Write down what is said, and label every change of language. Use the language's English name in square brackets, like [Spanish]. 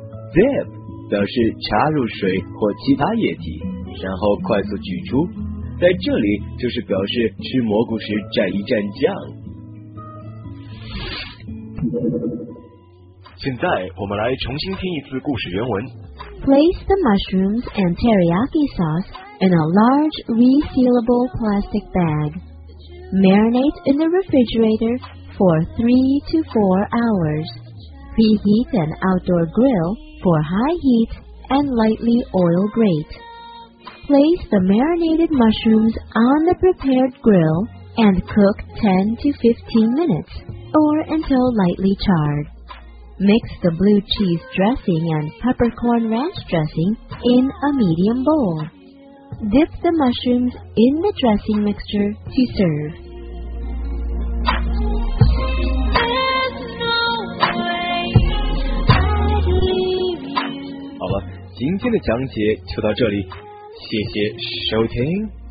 [Chinese] Dip 表示插入水或其他液体，然后快速取出，在这里就是表示吃蘑菇时蘸一蘸酱。现在我们来重新听一次故事原文。 [English] Place the mushrooms and teriyaki sauce in a large resealable plastic bag. Marinate in the refrigerator for 3 to 4 hours. Preheat an outdoor grill for high heat and lightly oil grate. Place the marinated mushrooms on the prepared grill and cook 10 to 15 minutes. Or until lightly charred. Mix the blue cheese dressing and peppercorn ranch dressing in a medium bowl. Dip the mushrooms in the dressing mixture to serve. There's no way I'd leave you. [Chinese] 好了，今天的讲解就到这里，谢谢收听。